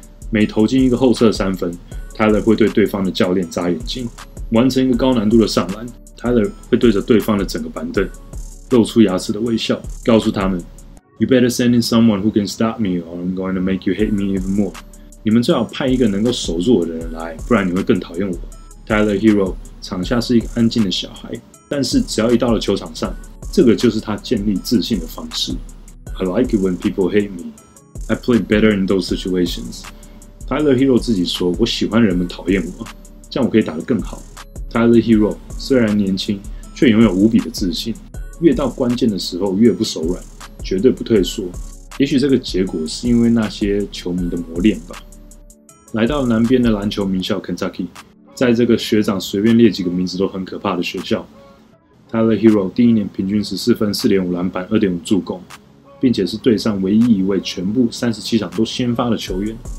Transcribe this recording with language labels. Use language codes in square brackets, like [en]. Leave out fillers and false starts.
[zh] 每投进一个后撤三分， Tyler 会对对方的教练眨眼睛；完成一个高难度的上篮， Tyler 会对着对方的整个板凳露出牙齿的微笑，告诉他们， [en] You better send in someone who can stop me or I'm going to make you hate me even more。 [zh] 你们最好派一个能够守住我的人来，不然你会更讨厌我。 Tyler Hero 场下是一个安静的小孩，但是只要一到了球场上，这个就是他建立自信的方式。 [en] I like it when people hate me. I play better in those situations. [zh] Tyler Hero 自己说，我喜欢人们讨厌我，这样我可以打得更好。 Tyler Hero 虽然年轻，却拥有无比的自信，越到关键的时候越不手软，绝对不退缩。也许这个结果是因为那些球迷的磨练吧。来到南边的篮球名校 Kentucky， 在这个学长随便列几个名字都很可怕的学校， Tyler Hero 第一年平均14分 4.5 篮板 2.5 助攻，并且是队上唯一一位全部37场都先发的球员。